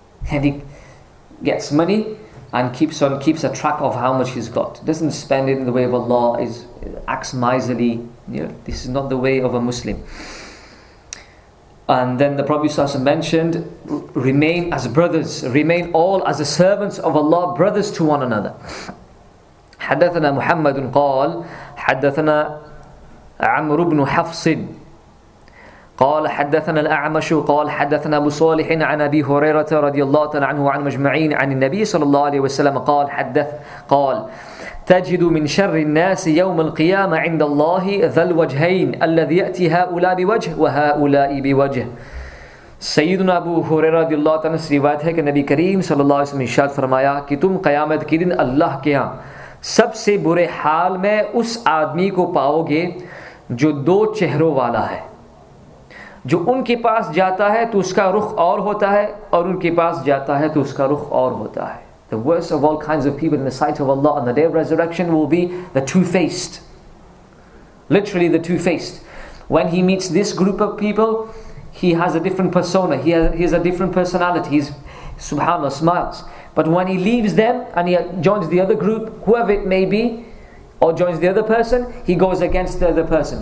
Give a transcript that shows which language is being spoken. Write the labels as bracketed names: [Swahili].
[English] And he gets money and keeps a track of how much he's got. Doesn't spend it in the way of Allah, acts miserly. You know, this is not the way of a Muslim. And then the Prophet ﷺ mentioned, remain as brothers, remain all as the servants of Allah, brothers to one another. [Arabic] حَدَّثَنَا مُحَمَّدٌ قَالْ حَدَّثَنَا عَمْرُ بْنُ حَفْصٍ قال حدثنا الأعمش قال حدثنا أبو صالح عن أبي هريرة رضي الله تعالى عنه وعن مجمعين عن النبي صلى الله عليه وسلم قال حدث قال تجد من شر الناس يوم القيامة عند الله ذا الوجهين الذي يأتي هؤلاء بوجه وهؤلاء بوجه. [Urdu] سيدنا أبو هريرة رضي الله تعالى عنه سي روایت ہے کہ نبی کریم صلى الله عليه وسلم ارشاد فرمایا کہ تم قیامت کے دن اللہ کے ہاں سب سے برے حال میں اس آدمی کو پاؤ گے جو دو چہروں والا ہے, جو ان کے پاس جاتا ہے تو اس کا رخ اور ہوتا ہے اور ان کے پاس جاتا ہے تو اس کا رخ اور ہوتا ہے. [English] The worst of all kinds of people in the sight of Allah on the day of resurrection will be the two-faced. Literally the two-faced. When he meets this group of people, he has a different persona. He has a different personality. He's, subhanAllah, smiles. But when he leaves them and he joins the other group, whoever it may be, or joins the other person, he goes against the other person.